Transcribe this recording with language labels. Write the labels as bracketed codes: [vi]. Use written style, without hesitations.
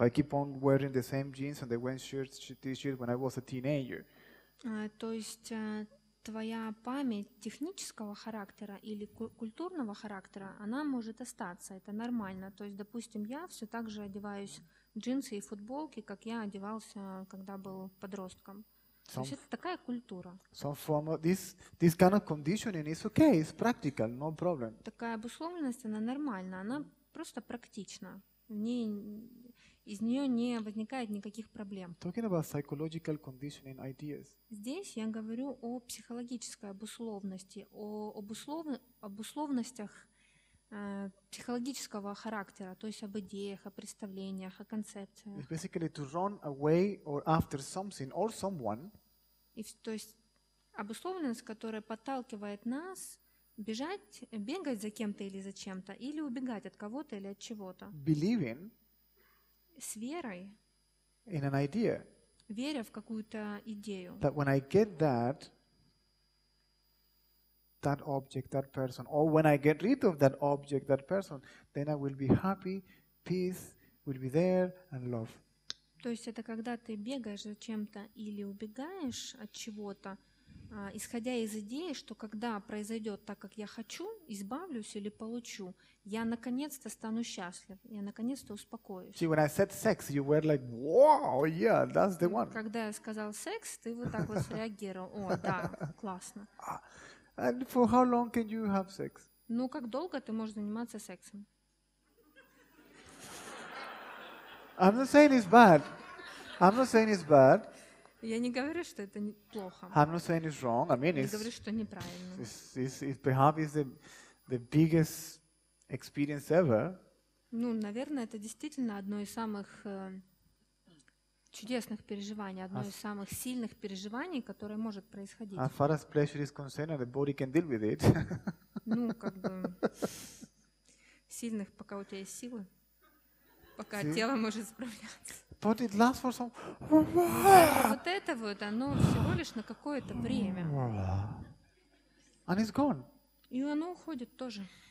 [en] I keep on wearing the same jeans and the same shirts, t-shirt when I was a teenager. [ru] То есть твоя память технического характера или культурного характера, она может остаться, это нормально. То есть, допустим, я все так же одеваюсь в джинсы и футболки, как я одевался, когда был подростком. То есть это такая культура. [en] This kind of conditioning is okay, it's practical, no problem. [ru] Такая обусловленность, она нормальна, она просто практична. Из нее не возникает никаких проблем. [en] Talking about psychological conditioning ideas. [ru] Здесь я говорю о психологической обусловности, об условностях психологического характера, то есть об идеях, о представлениях, о концепциях. [en] It's basically to run away or after something or someone. [ru] То есть обусловленность, которая подталкивает нас бегать за кем-то или за чем-то, или убегать от кого-то или от чего-то. [en] Believing. [ru] С верой, [en] in an idea, [ru] веря в какую-то идею, [en] that when I get that object, that person, or when I get rid of that object, that person, then I will be happy, peace will be there, and love. [ru] То есть это когда ты бегаешь за чем-то или убегаешь от чего-то, исходя из идеи, что когда произойдет так, как я хочу, избавлюсь или получу, я наконец-то стану счастлив, я наконец-то успокоюсь. [en] See, when I said sex, you were like, wow, yeah, that's the one. [ru] Когда я сказал секс, ты вот так вот среагировал. О, да, классно. [en] And for how long can you have sex? [ru] Ну, как долго ты можешь заниматься сексом? [en] I'm not saying it's bad. I'm not saying it's bad. [ru] Я не говорю, что это плохо. [en] I'm not saying it's wrong. I mean, [ru] не говорю, что неправильно. [en] It's perhaps is the biggest experience ever. [ru] Ну, наверное, это действительно одно из самых чудесных переживаний, одно из самых сильных переживаний, которое может происходить. [en] As far as pleasure is concerned, the body can deal with it. [ru] Ну, как бы, сильных, пока у тебя есть силы, пока тело может справляться. [en] But it lasts for some... [ru] Вот это вот, оно всего лишь на какое-то время. [en] And it's gone. [ru] И оно уходит тоже.